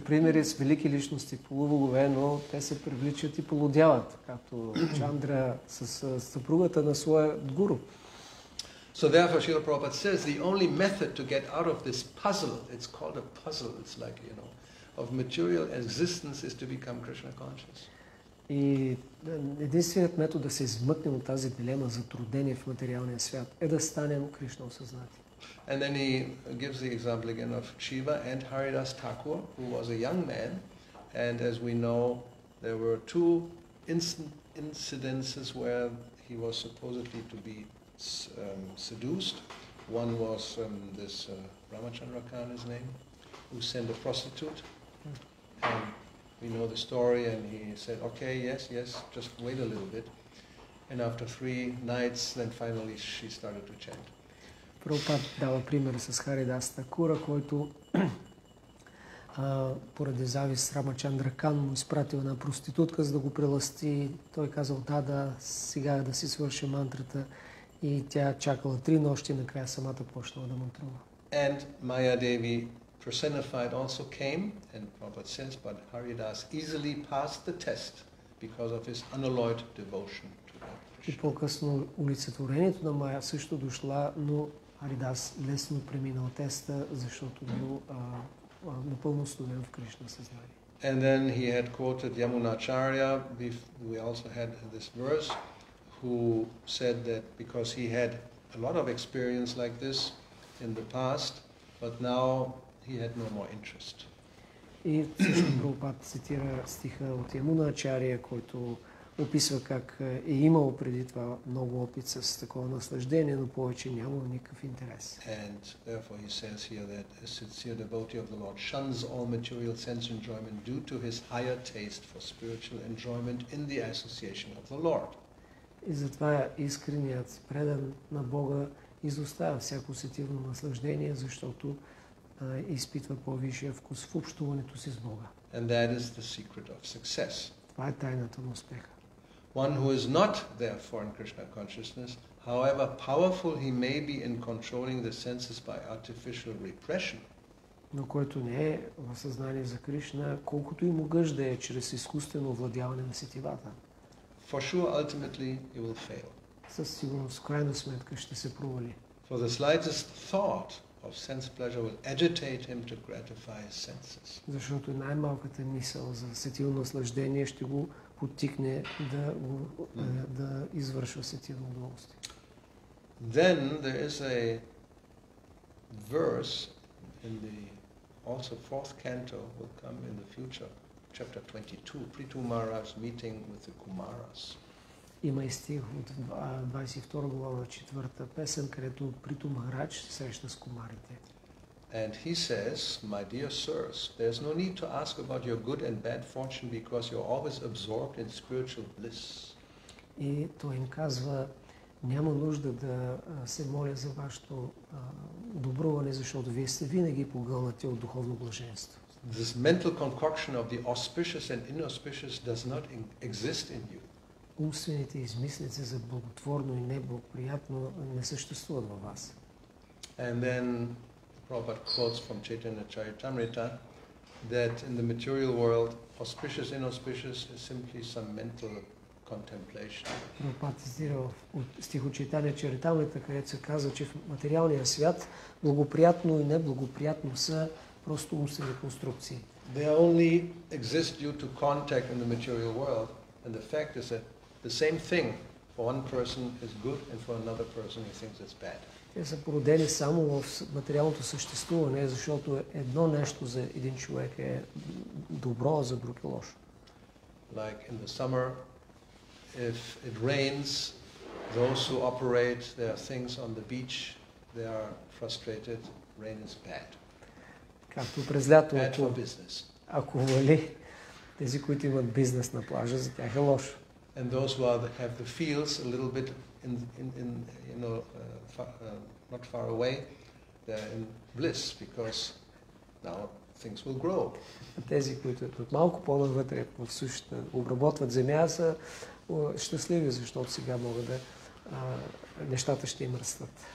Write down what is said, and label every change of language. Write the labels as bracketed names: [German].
[Bulgarian] Примери с велики личности, полубогове, но те се привличат и полудяват, като Чандра с съпругата на своя гуру. [English] So therefore Srila Prabhupada says the only method to get out of this puzzle, it's called a puzzle, it's like, you know, of material existence is to become Krishna conscious. [Bulgarian] И единственият метод да се измъкнем от тази дилема затруднение в материалния свят е да станем Кришна осъзнати. [English] And then he gives the example again of Shiva and Haridas Thakur, who was a young man. And as we know, there were two incidences where he was supposedly to be seduced. One was Ramachandra Khan, his name, who sent a prostitute. And we know the story, and he said, okay, yes, just wait a little bit. And after 3 nights, then finally she started to chant. [Bulgarian] Прабхупад дава пример с Харидас Такура, който поради завист Рамачандра Кан му изпратил една проститутка, за да го прелъсти. Той казал, да, сега да си свърша мантрата. И тя чакала три нощи, накрая самата почнала да мантрува. [English] And Maya Devi personified also came, and Prabhupada says, but Haridas easily passed the test because of his unalloyed devotion to Lord [Bulgarian] Krishna. И по-късно олицетворението на Майя също дошла, но Харидас лесно преминал теста, защото бил напълно студен в Кришна съзнание. [English] And then he had quoted Yamunacharya. We also had this verse, who said that because he had a lot of experience like this in the past, but now he had no more interest. [Bulgarian] И също Прабхупад цитира стиха от Ямуначария, който описва как е имал преди това много опит с такова наслаждение, но повече няма никакъв интерес. [English] And therefore he says here that a sincere devotee of the Lord shuns all material sense enjoyment due to his higher taste for spiritual enjoyment in the association of the Lord. [Bulgarian] И затова искреният предан на Бога изоставя всяко сетивно наслаждение, защото изпитва по-висшия вкус в общуването си с Бога. [English] And that is the secret of success. [Bulgarian] Това е тайната на успеха. [English] One who is not therefore in Krishna consciousness, however powerful he may be in controlling the senses by artificial repression, [Bulgarian] но който не е в съзнание за Кришна, колкото и могъщ да е чрез изкуствено овладяване на сетивата, [English] for sure ultimately he will fail. [Bulgarian] Със сигурност в крайна сметка ще се провали. [English] For the slightest thought of sense pleasure will agitate him to gratify his senses. [Bulgarian] Защото най-малката мисъл за сетивно наслаждение ще го потикне да да извършва сетивно удоволствие. [English] Then there is a verse in the also fourth canto will come in the future, chapter 22, Prithu Maharaj's meeting with the Kumaras. [Bulgarian] Има и стих от 22 глава, четвърта песен, където Прито Махарадж се среща с комарите. [English] And he says, my dear sirs, there's no need to ask about your good and bad fortune because you're always absorbed in spiritual bliss. [Bulgarian] И той им казва, няма нужда да се моля за вашето добруване, защото вие сте винаги погълнати от духовно блаженство. [English] This mental concoction of the auspicious and inauspicious does not exist in you. [Bulgarian] Умствените измислици за благотворно и неблагоприятно не съществуват във вас. [English] And then Prabhupada quotes from Chaitanya Charitamrita that in the material world auspicious inauspicious is simply some mental contemplation. [Bulgarian] Prabhupada цитира от стих от Chaitanya Charitamrita, където се казва, че в материалния свят благоприятно и неблагоприятно са просто умствени конструкции. [English] They only exist due to contact in the material world, and the fact is that the same thing for one person is good and for another person he thinks it's bad. [Bulgarian] Те са породени само в материалното съществуване, защото едно нещо за един човек е добро, а за друг е лошо. [English] Like in the summer, if it rains, those who operate their things on the beach, they are frustrated. Rain is bad. [Bulgarian] Както през лято, [English] bad for business. [Bulgarian] Ако вали, тези, които имат бизнес на плажа, за тях е лошо. [English] And those who are have the fields a little bit in you know not far away, they're in bliss because now things will grow. [Bulgarian] Тези, които от малко по-навътре в сушата обработват земя, са щастливи, защото сега могат да нещата ще им растат.